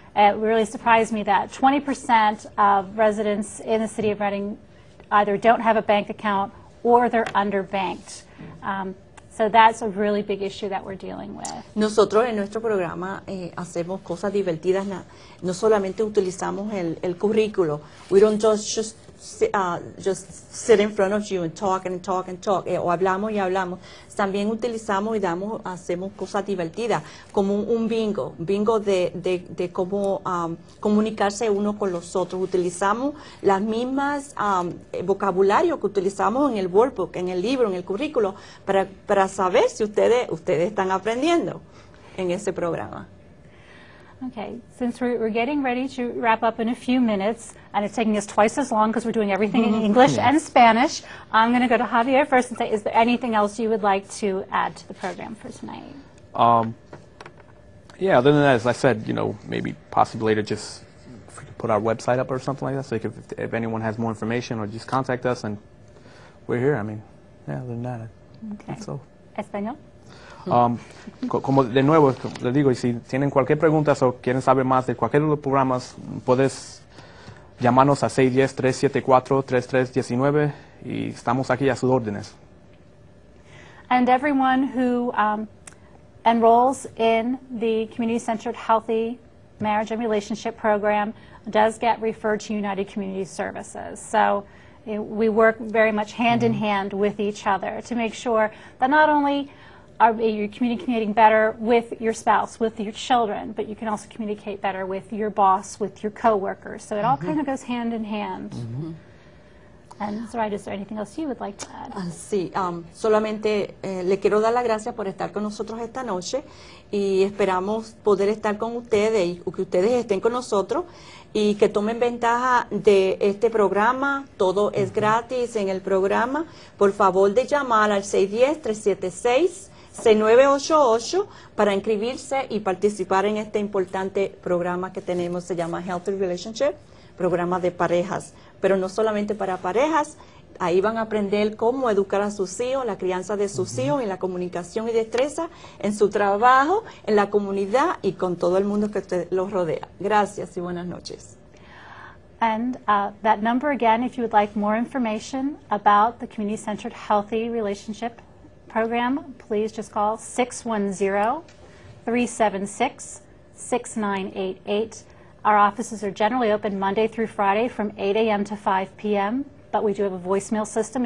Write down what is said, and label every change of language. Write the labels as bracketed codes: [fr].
[en] It really surprised me that 20% of residents in the city of Reading either don't have a bank account or they're underbanked. So that's a really big issue that we're dealing with. [es] Nosotros en nuestro programa hacemos cosas divertidas. No solamente utilizamos el currículo. [en] We don't just sit in front of you and talk and talk and talk. [es] O hablamos y hablamos. También utilizamos y hacemos cosas divertidas, como un bingo. Bingo de cómo comunicarse uno con los otros. Utilizamos las mismas vocabulario que utilizamos en el workbook, en el libro, en el currículo, para saber si ustedes están aprendiendo en ese programa. [en] Okay, since we're getting ready to wrap up in a few minutes, and it's taking us twice as long because we're doing everything mm-hmm. in English yes. and Spanish, I'm going to go to Javier first and say, is there anything else you would like to add to the program for tonight? Yeah, other than that, as I said, you know, maybe possibly later just put our website up or something like that, so you can, if anyone has more information, or just contact us, and we're here. I mean, yeah, other than that, okay. That's all. [es] Español? Como de nuevo les digo, y si tienen cualquier pregunta o quieren saber más de cualquiera de los programas, puedes llamarnos a 610-374-3319 y estamos aquí a sus órdenes. [en] And everyone who enrolls in the Community-Centered Healthy Marriage and Relationship Program does get referred to United Community Services. So we work very much hand mm-hmm. in hand with each other to make sure that not only are you communicating better with your spouse, with your children, but you can also communicate better with your boss, with your coworkers. So it all mm-hmm. kind of goes hand in hand. Mm-hmm. And Zoraida, is there anything else you would like to add? [es] Sí, solamente le quiero dar las gracias por estar con nosotros esta noche, y esperamos poder estar con ustedes y que ustedes estén con nosotros y que tomen ventaja de este programa. Todo mm-hmm. es gratis en el programa. Por favor, de llamar al 610-376-6988 para inscribirse y participar en este importante programa que tenemos. Se llama Healthy Relationship, programa de parejas, pero no solamente para parejas, Ahí van a aprender cómo educar a sus hijos, la crianza de sus hijos, en la comunicación y destreza, en su trabajo, en la comunidad y con todo el mundo que usted los rodea. Gracias y buenas noches. [en] And that number again, if you would like more information about the Community-Centered Healthy Relationship Program, please just call 610-376-6988. Our offices are generally open Monday through Friday from 8 a.m. to 5 p.m., but we do have a voicemail system.